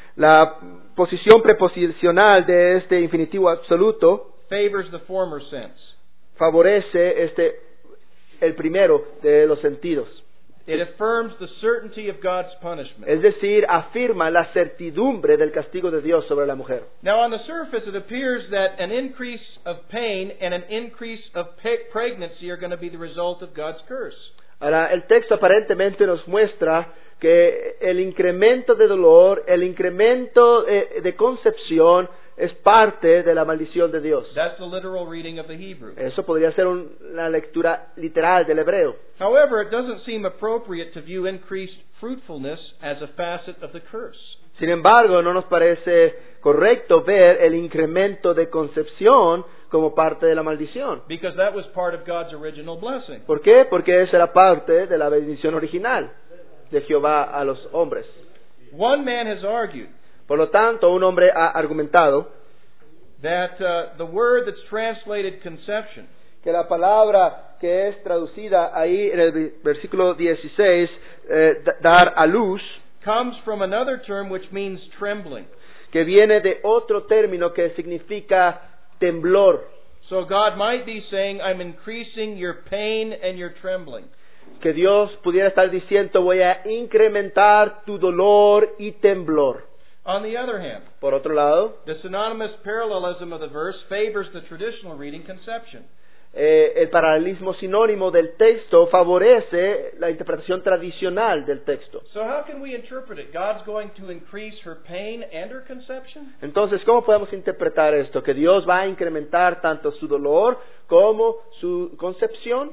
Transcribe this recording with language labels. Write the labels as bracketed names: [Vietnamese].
[Spanish] la posición preposicional de este infinitivo absoluto, [English] favors the former sense. [Spanish] Favorece el primero de los sentidos. [English] It affirms the certainty of God's punishment. [Spanish] Es decir, afirma la certidumbre del castigo de Dios sobre la mujer. [English] Now on the surface it appears that an increase of pain and an increase of pregnancy are going to be the result of God's curse. [Spanish] Ahora, el texto aparentemente nos muestra que el incremento de dolor, el incremento de concepción es parte de la maldición de Dios. [English] That's the literal reading of the Hebrew. [Spanish] Eso podría ser una lectura literal del hebreo. [English] However, it doesn't seem appropriate to view increased fruitfulness as a facet of the curse. [Spanish] Sin embargo, no nos parece correcto ver el incremento de concepción como parte de la maldición. [English] Because that was part of God's original blessing. [Spanish] ¿Por qué? Porque esa era parte de la bendición original de Jehová a los hombres. [English] One man has argued, [Spanish] por lo tanto, un hombre ha argumentado [English] that, the word that's translated conception, [Spanish] que la palabra que es traducida ahí en el versículo 16, dar a luz, [English] comes from another term which means trembling, [Spanish] que viene de otro término que significa temblor. [English] So God might be saying, I'm increasing your pain and your trembling. [Spanish] Que Dios pudiera estar diciendo, voy a incrementar tu dolor y temblor. [English] On the other hand, [Spanish] por otro lado, [English] the synonymous parallelism of the verse favors the traditional reading conception. [Spanish] El paralelismo sinónimo del texto favorece la interpretación tradicional del texto. [English] So how can we interpret it? God's going to increase her pain and her conception? [Spanish] Entonces, ¿cómo podemos interpretar esto? ¿Que Dios va a incrementar tanto su dolor como su concepción?